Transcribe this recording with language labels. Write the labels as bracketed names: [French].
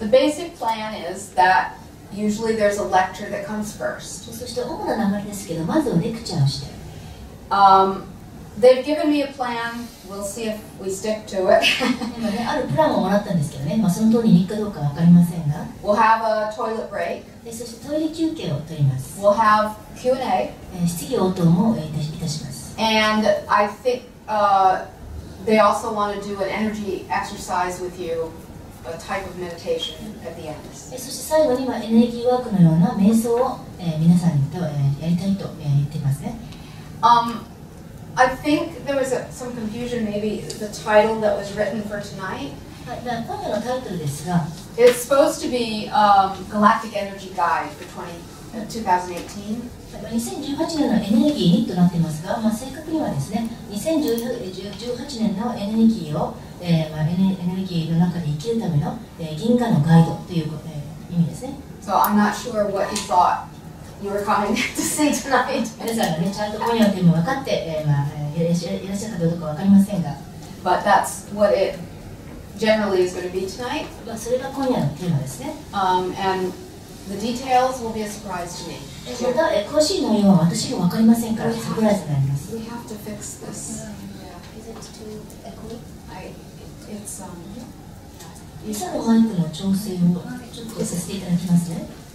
[English] The basic plan is that usually there's a lecture that comes first. [Japanese] そして主な流れですけど、まずはレクチャーをして。 [English] They've given me a plan. We'll see if we stick to it. [Japanese] あるプランをもらったんですけどね、その通りに行くかどうかわかりませんが。 [English] We'll have a toilet break. [Japanese] そしてトイレ休憩を取ります。 [English] We'll have Q&A. [Japanese] 質疑応答もいたします。 [English] And I think they also want to do an energy exercise with you, a type of meditation at the end. [Japanese] そして最後に、エネルギーワークのような瞑想を、皆さんと、やりたいと、言っていますね。 [English] I think there was some confusion maybe the title that was written for tonight. [Japanese] 今夜のタイトルですが [English] It's supposed to be Galactic Energy Guide for 2018. [Japanese] 2018年のエネルギーとなっていますが、正確にはですね、2018年のエネルギーを、エネルギーの中で生きるための、銀河のガイドという、意味ですね。 [English] So I'm not sure what you thought. You were coming to see tonight. [Japanese] 皆さんがね、ちゃんと今夜っていうのも分かって、いらっしゃるかどうか分かりませんが。 [English] But that's what it generally is going to be tonight. [Japanese] それが今夜のテーマですね。 [English] And the details will be a surprise to me. [Japanese] また、詳しい内容は私も分かりませんから、サプライズになります。 [English] We have to fix this. Is it too echoey? It's, [Japanese] リサのマイクの調整をちょっとさせていただきますね。